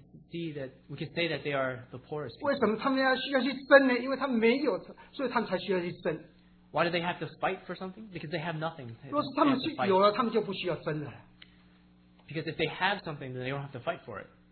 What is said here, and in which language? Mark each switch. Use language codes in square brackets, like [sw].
[en] We can say that they are the poorest people. [zh] 为什么他们要需要去争呢? [en] Why do they have to fight for something? Because they have nothing. They have to fight. Because if they have something, then they don't have to fight for it.